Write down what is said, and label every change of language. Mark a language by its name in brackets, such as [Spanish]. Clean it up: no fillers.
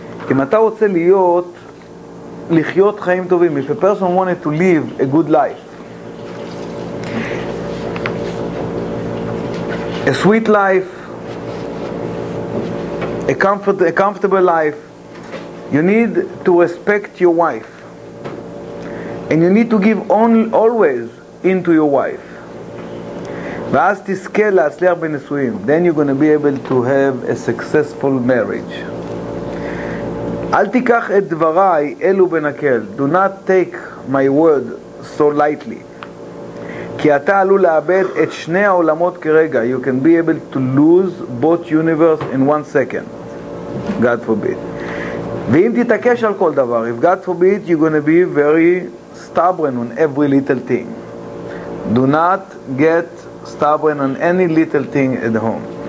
[Hebrew] אם אתה רוצה להיות, לחיות חיים טובים, [English] if a person wanted to live a good life, a sweet life, a comfortable life, you need to respect your wife. And you need to give always into your wife. [Hebrew] ואז תזכה להצליח בנישואים. [English] Then you're going to be able to have a successful marriage. [Hebrew] אל תיקח את דבריי אלו בנקל. [English] Do not take my word so lightly. [Hebrew] כי אתה עלול לאבד את שני העולמות כרגע. [English] You can be able to lose both universe in one second. God forbid. [Hebrew] ואם תתעקש על כל דבר, [English] if God forbid, you're going to be very stubborn on every little thing. Do not get stubborn on any little thing at home.